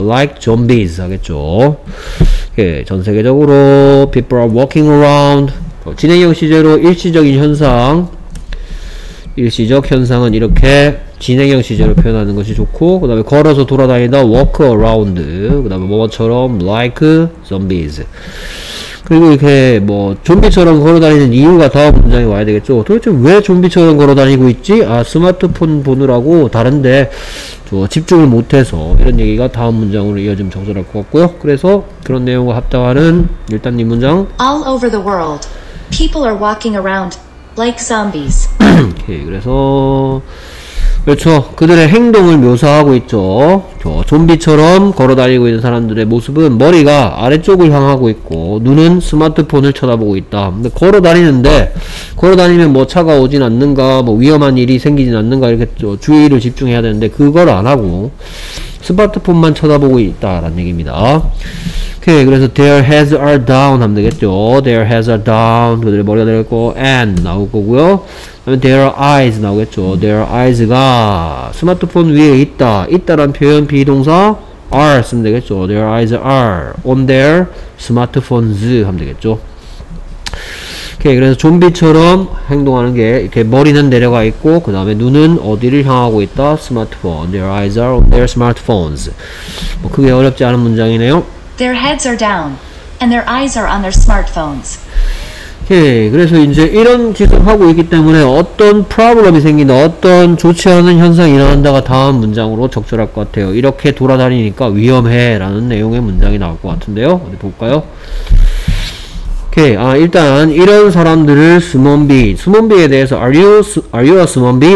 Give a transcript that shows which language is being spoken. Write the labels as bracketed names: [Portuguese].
[English] like zombies [Korean] 하겠죠. 예, 전 세계적으로 [English] people are walking around [Korean] 진행형 시제로 일시적인 현상 일시적 현상은 이렇게 진행형 시제로 표현하는 것이 좋고 그 다음에 걸어서 돌아다니다 [English] walk around [Korean] 그 다음에 뭐처럼 like zombies 그리고 이렇게 뭐 좀비처럼 걸어다니는 이유가 다음 문장에 와야 되겠죠. 도대체 왜 좀비처럼 걸어다니고 있지? 아 스마트폰 보느라고 다른데 저 집중을 못해서 이런 얘기가 다음 문장으로 이어지면 적절할 것 같고요. 그래서 그런 내용과 합당하는 일단 이 문장 [English] All over the world, people are walking around like zombies. [Korean] 오케이, 그래서 그렇죠. 그들의 행동을 묘사하고 있죠. 저 좀비처럼 걸어다니고 있는 사람들의 모습은 머리가 아래쪽을 향하고 있고 눈은 스마트폰을 쳐다보고 있다. 근데 걸어다니는데 걸어다니면 뭐 차가 오진 않는가 뭐 위험한 일이 생기진 않는가 이렇게 저 주의를 집중해야 되는데 그걸 안 하고 스마트폰만 쳐다보고 있다라는 얘기입니다. 오케이, 그래서 [English] their heads are down [Korean] 하면 되겠죠. their heads are down 그들의 머리가 내렸고 and 나올 거고요. [English] Their eyes [Korean] 나오겠죠. Their eyes가 스마트폰 위에 있다. 있다란 표현 비동사 are 쓰면 되겠죠. [English] Their eyes are on their smartphones [Korean] 하면 되겠죠. 오케이, 그래서 좀비처럼 행동하는 게 이렇게 머리는 내려가 있고 그 다음에 눈은 어디를 향하고 있다. [English] 스마트폰. Their eyes are on their smartphones. [Korean] 뭐 크게 어렵지 않은 문장이네요. [English] Their heads are down and their eyes are on their smartphones. [Korean] 오케이, 그래서 이제 이런 짓을 하고 있기 때문에 어떤 프로블럼이 생긴다, 어떤 좋지 않은 현상이 일어난다가 다음 문장으로 적절할 것 같아요. 이렇게 돌아다니니까 위험해 라는 내용의 문장이 나올 것 같은데요. 어디 볼까요? 오케이, 아 일단 이런 사람들을 스몬비, 스몬비에 대해서 [English] are you a [Korean] 스몬비?